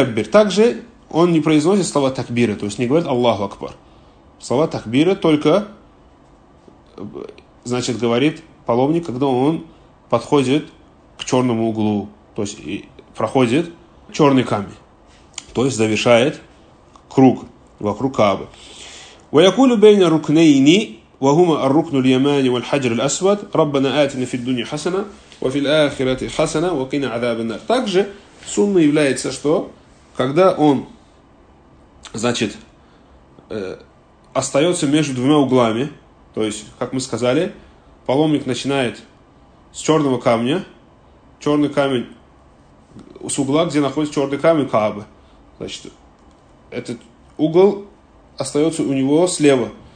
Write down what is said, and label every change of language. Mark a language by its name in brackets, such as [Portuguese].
[Russian] Также он не произносит слова такбира, то есть не говорит Аллаху Акбар. Слова такбира только, значит, говорит паломник, когда он подходит к черному углу, то есть и проходит черный камень, то есть завершает круг вокруг Каабы. [Arabic] ويقول بين ركنين وهما الركن اليماني والحجر الأسود ربنا آتنا في الدنيا حسنة وفي الآخرة حسنة وقنا عذاب النار. [Russian] Также сунна является, что когда он, значит, остается между двумя углами, то есть, как мы сказали, паломник начинает с черного камня, черный камень с угла, где находится черный камень Каабы, значит, этот угол остается у него слева.